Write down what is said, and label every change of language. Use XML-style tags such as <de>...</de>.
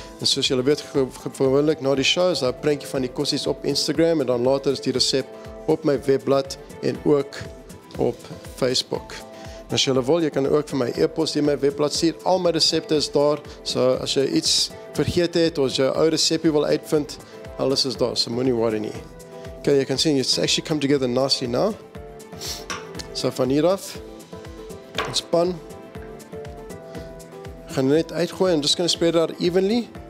<af>En soos jylle weet, gewoonlik na die show, is daar 'n prentjie van die kossies op Instagram. En dan later is die resep op my webblad en ook op Facebook. As jy wil, jy kan ook vir my e-post in my webblad stuur. Al my resepte is daar. So as jy iets vergeet het, of jy ou resepie wil uitvind, alles is daar. So moenie worry nie. Okay, jy kan sien,</af> <en>it's actually come together nicely now.</en> <af>So van hier af, ons pan. Ek gaan net uitgooi, en</af> <en>just gonna spread it out evenly.</en>